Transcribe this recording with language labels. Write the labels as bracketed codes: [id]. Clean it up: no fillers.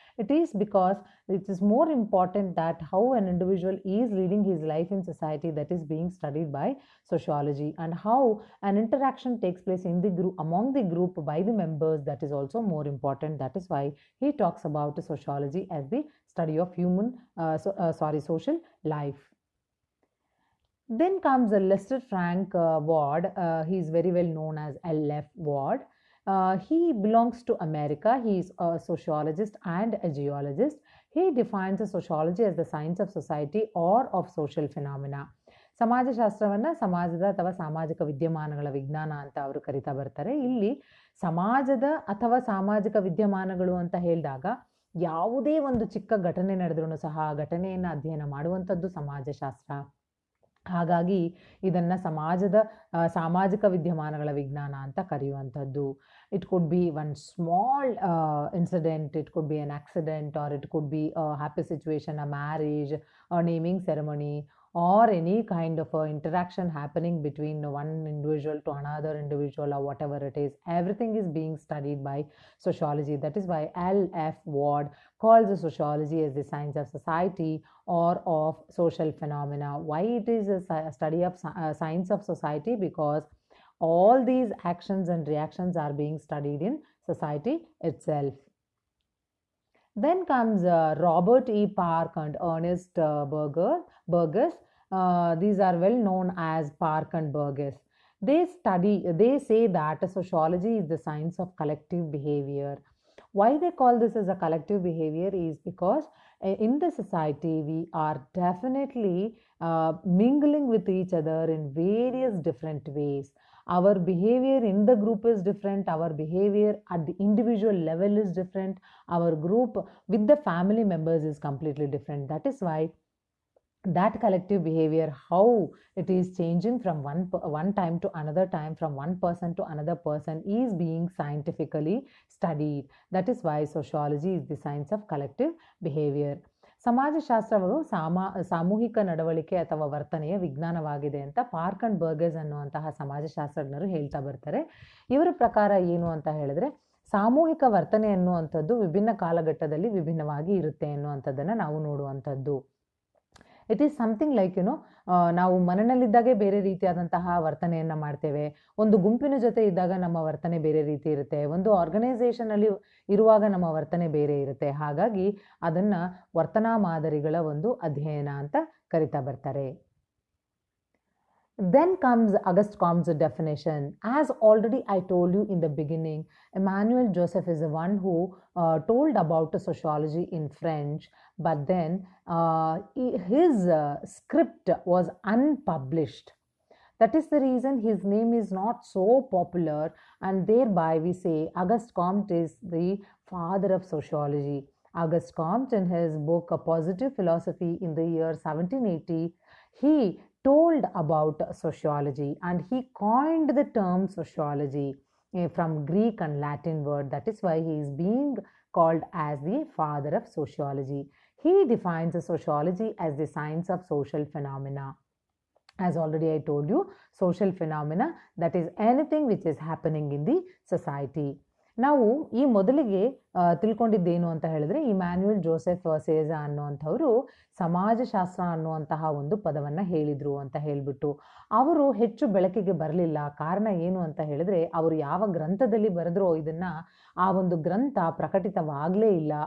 [en] It is because it is more important that how an individual is leading is life in society, that is being studied by sociology. And how an interaction takes place in the group, among the group by the members, that is also more important. That is why he talks about sociology as the study of human social life. Then comes Lester Frank Ward. He is very well known as L.F. Ward. He belongs to America. He is a sociologist and a geologist. He defines sociology as the science of society or of social phenomena. [kn] ಸಮಾಜಶಾಸ್ತ್ರವನ್ನು ಸಮಾಜದ ಅಥವಾ ಸಾಮಾಜಿಕ ವಿದ್ಯಮಾನಗಳ ವಿಜ್ಞಾನ ಅಂತ ಅವರು ಕರಿತಾ ಬರ್ತಾರೆ. ಇಲ್ಲಿ ಸಮಾಜದ ಅಥವಾ ಸಾಮಾಜಿಕ ವಿದ್ಯಮಾನಗಳು ಅಂತ ಹೇಳಿದಾಗ ಯಾವುದೇ ಒಂದು ಚಿಕ್ಕ ಘಟನೆ ನಡೆದ್ರೂ ಸಹ ಆ ಘಟನೆಯನ್ನು ಅಧ್ಯಯನ ಮಾಡುವಂಥದ್ದು ಸಮಾಜಶಾಸ್ತ್ರ. ಹಾಗಾಗಿ ಇದನ್ನು ಸಮಾಜದ ಸಾಮಾಜಿಕ ವಿದ್ಯಮಾನಗಳ ವಿಜ್ಞಾನ ಅಂತ ಕರೆಯುವಂಥದ್ದು. [en] It could be one small incident, it could be an accident, or it could be a happy situation, a marriage, a naming ceremony, or any kind of interaction happening between one individual to another individual or whatever it is, everything is being studied by sociology. That is why L F Ward calls sociology as the science of society or of social phenomena. Why it is a study of science of society? Because all these actions and reactions are being studied in society itself. Then comes Robert E. Park and Ernest Burgess. These are well known as Park and Burgess. They say that sociology is the science of collective behavior. Why they call this as a collective behavior is because in the society we are definitely mingling with each other in various different ways. Our behavior in the group is different. Our behavior at the individual level is different. Our group with the family members is completely different. That is why that collective behavior, how it is changing from one time to another time, from one person to another person, is being scientifically studied. That is why sociology is the science of collective behavior. [kn] ಸಮಾಜಶಾಸ್ತ್ರವು ಸಾಮೂಹಿಕ ನಡವಳಿಕೆ ಅಥವಾ ವರ್ತನೆಯ ವಿಜ್ಞಾನವಾಗಿದೆ ಅಂತ park and ಬರ್ಗೆಸ್ ಅನ್ನುವಂತಹ ಸಮಾಜಶಾಸ್ತ್ರಜ್ಞರು ಹೇಳ್ತಾ ಬರ್ತಾರೆ. ಇವರ ಪ್ರಕಾರ ಏನು ಅಂತ ಹೇಳಿದ್ರೆ, ಸಾಮೂಹಿಕ ವರ್ತನೆ ಅನ್ನುವಂಥದ್ದು ವಿಭಿನ್ನ ಕಾಲಘಟ್ಟದಲ್ಲಿ ವಿಭಿನ್ನವಾಗಿ ಇರುತ್ತೆ ಅನ್ನುವಂಥದ್ದನ್ನು ನಾವು ನೋಡುವಂಥದ್ದು. [en] it is something like you know, [kn] ನಾವು ಮನೆಯಲ್ಲಿದ್ದಾಗೆ ಬೇರೆ ರೀತಿಯಾದಂತಹ ವರ್ತನೆಯನ್ನು ಮಾಡ್ತೇವೆ. ಒಂದು ಗುಂಪಿನ ಜೊತೆ ಇದ್ದಾಗ ನಮ್ಮ ವರ್ತನೆ ಬೇರೆ ರೀತಿ ಇರುತ್ತೆ. ಒಂದು ಆರ್ಗನೈಸೇಷನಲ್ಲಿ ಇರುವಾಗ ನಮ್ಮ ವರ್ತನೆ ಬೇರೆ ಇರುತ್ತೆ. ಹಾಗಾಗಿ ಅದನ್ನು ವರ್ತನಾ ಮಾದರಿಗಳ ಒಂದು ಅಧ್ಯಯನ ಅಂತ ಕರಿತಾ ಬರ್ತಾರೆ. [en] Then comes August Comte's definition. As already I told you in the beginning, Emmanuel Joseph is the one who told about sociology in French, but then his script was unpublished. That is the reason his name is not so popular, and thereby we say August Comte is the father of sociology. August Comte, in his book A Positive Philosophy in the year 1780, he told about sociology and he coined the term sociology from Greek and Latin word. That is why he is being called as the father of sociology. He defines sociology as the science of social phenomena. As already I told you, social phenomena, that is anything which is happening in the society. [kn] ನಾವು ಈ ಮೊದಲಿಗೆ ತಿಳ್ಕೊಂಡಿದ್ದೇನು ಅಂತ ಹೇಳಿದ್ರೆ, ಈ manual Joseph ಸೇಜಾ ಅನ್ನುವಂಥವರು ಸಮಾಜಶಾಸ್ತ್ರ ಅನ್ನುವಂತಹ ಒಂದು ಪದವನ್ನು ಹೇಳಿದರು ಅಂತ ಹೇಳಿಬಿಟ್ಟು ಅವರು ಹೆಚ್ಚು ಬೆಳಕಿಗೆ ಬರಲಿಲ್ಲ. ಕಾರಣ ಏನು ಅಂತ ಹೇಳಿದ್ರೆ, ಅವರು ಯಾವ ಗ್ರಂಥದಲ್ಲಿ ಬರೆದರೋ ಇದನ್ನು ಆ ಒಂದು ಗ್ರಂಥ ಪ್ರಕಟಿತವಾಗಲೇ ಇಲ್ಲ.